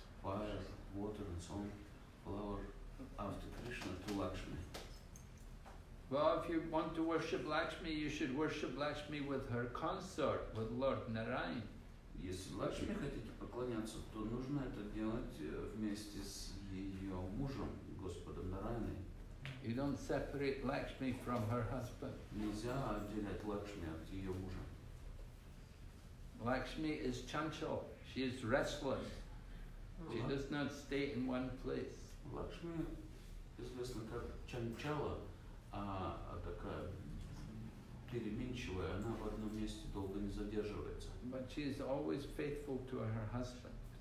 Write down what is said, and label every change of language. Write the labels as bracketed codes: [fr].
[en] Fire, water, and so on, flower, after Krishna to Lakshmi. Well, if you want to worship Lakshmi, you should worship Lakshmi with her consort, with Lord Narayan. [ru] Если Лакшми хотите поклоняться, то нужно это делать вместе с ее мужем, Господом Нарайаной. [en] You don't separate Lakshmi from her husband. [ru] Нельзя отделять Лакшми от ее мужа. [en] Lakshmi is chanchal. She is restless. She does not stay in one place. [ru] Лакшми известна как чанчала, а такая переменчивая. Она в одном месте долго не задерживается. [en] But she is always faithful to her husband.